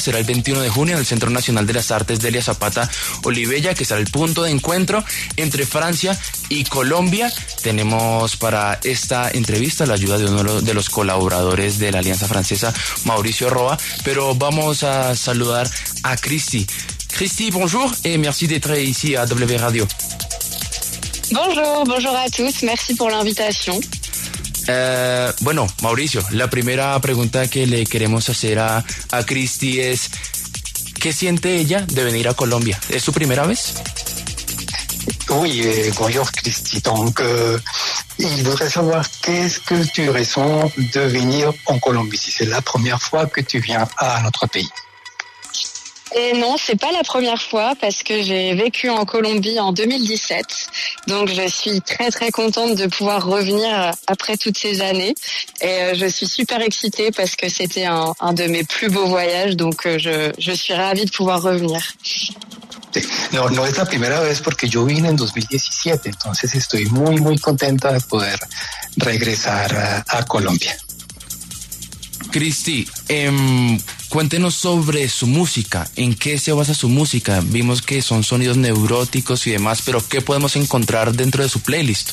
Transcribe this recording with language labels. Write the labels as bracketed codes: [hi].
[es] Será el 21 de junio en el Centro Nacional de las Artes Delia Zapata Olivella, que será el punto de encuentro entre Francia y Colombia. Tenemos para esta entrevista la ayuda de uno de los colaboradores de la Alianza Francesa, Mauricio Roa, pero vamos a saludar a Christy. [fr] Christy, bonjour et merci d'être ici à W Radio. Bonjour à tous, merci pour l'invitation. [es] Bueno, Mauricio, la primera pregunta que le queremos hacer a Christy es, ¿qué siente ella de venir a Colombia? ¿Es su primera vez? [fr] Oui, bonjour Christy. Donc, il voudrait savoir qu'est-ce que tu ressens de venir en Colombie, si c'est la première fois que tu viens à notre pays. Et non, c'est pas la première fois parce que j'ai vécu en Colombie en 2017. Donc je suis très très contente de pouvoir revenir après toutes ces années. Et je suis super excitée parce que c'était un de mes plus beaux voyages. Donc je suis ravie de pouvoir revenir. [es] No es la primera vez porque yo vine en 2017. Entonces estoy muy muy contenta de poder regresar a Colombia. Christy, cuéntenos sobre su música. ¿En qué se basa su música? Vimos que son sonidos neuróticos y demás, pero ¿qué podemos encontrar dentro de su playlist?